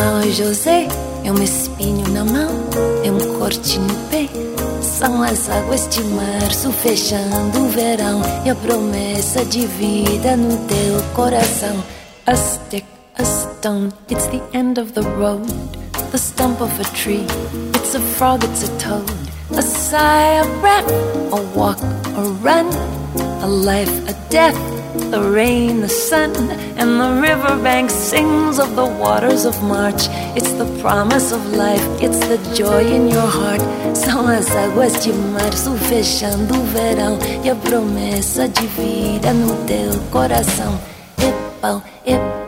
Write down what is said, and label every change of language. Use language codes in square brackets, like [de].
[pt] José, é um espinho na mão, é um corte no pé. São as águas de março fechando o verão. E a promessa de vida no teu coração. [en] A stick, a stone, it's the end of the road. The stump of a tree, it's a frog, it's a toad. A sigh, a breath, a walk, a run. A life, a death. The rain, the sun, and the riverbank sings of the waters of March. It's the promise of life, it's the joy in your heart. [pt] São as águas de março fechando o verão. E a promessa de vida no teu coração. É pão, é pão.